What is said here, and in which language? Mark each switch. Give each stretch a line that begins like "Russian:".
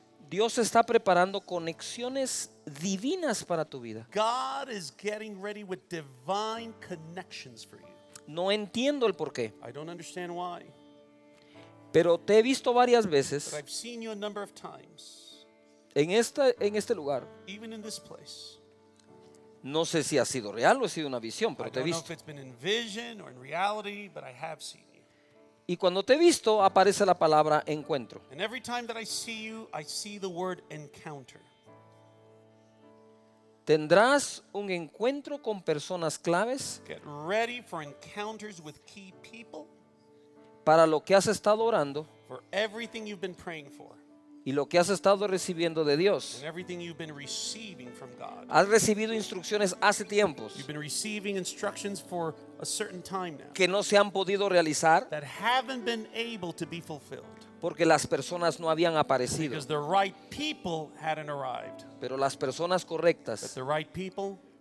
Spanish: Dios está preparando conexiones divinas para tu vida.
English: God is getting ready with divine connections for you.
Spanish: No entiendo el porqué.
English: I don't understand why.
Spanish: Pero te he visto varias veces.
English: But I've seen you a number of times.
Spanish: En este lugar.
English: Even in this place.
Spanish: No sé si ha sido real o ha sido una visión, pero te he visto.
English: I don't know if it's been in vision or in reality, but I have seen you.
Spanish: Y cuando te he visto, aparece la palabra encuentro.
English: And every time that I see you, I see the word encounter.
Spanish: Tendrás un encuentro con personas claves.
English: Get ready for encounters with key people.
Spanish: Para lo que has estado orando.
English: For everything you've been praying for.
Spanish: Y lo que has estado recibiendo de Dios.
English: God,
Spanish: has recibido instrucciones hace tiempos.
English: You've been receiving instructions for a certain time now.
Spanish: Que no se han podido realizar.
English: That haven't been able to be fulfilled.
Spanish: Porque las personas no habían aparecido.
English: Because the right people hadn't arrived.
Spanish: Pero las personas correctas.
English: But the right people